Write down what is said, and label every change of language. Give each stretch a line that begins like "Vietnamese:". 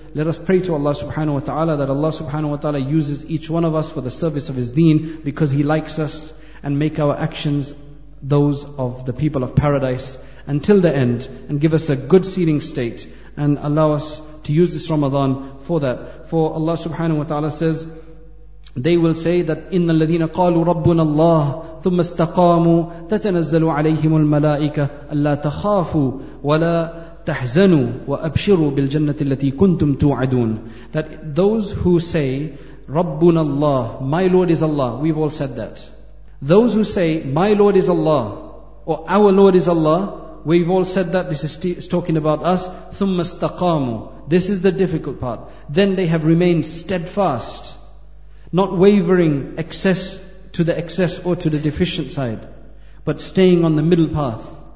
English: Let us pray to Allah subhanahu wa ta'ala that Allah subhanahu wa ta'ala uses each one of us for the service of his deen because he likes us, and make our actions those of the people of paradise until the end, and give us a good sealing state, and allow us to use this Ramadan for that. For Allah subhanahu wa ta'ala says, they will say that
Arabic: إِنَّ الَّذِينَ قَالُوا رَبُّنَ اللَّهِ ثُمَّ اسْتَقَامُوا تَتَنَزَّلُوا عَلَيْهِمُ الْمَلَائِكَةَ أَلَّا تَخَافُوا وَلَا تَحْزَنُوا وَأَبْشِرُوا بِالْجَنَّةِ الَّتِي كُنْتُمْ تُوعَدُونَ.
English: That those who say,
Arabic: رَبُّنَ اللَّهِ,
English: my Lord is Allah, we've all said that. Those who say, my Lord is Allah, or our Lord is Allah, we've all said that, this is talking about us.
Arabic: ثُمَّ اسْتَقَامُوا.
English: This is the difficult part. Then they have remained steadfast, not wavering excess to the excess or to the deficient side, but staying on the middle path.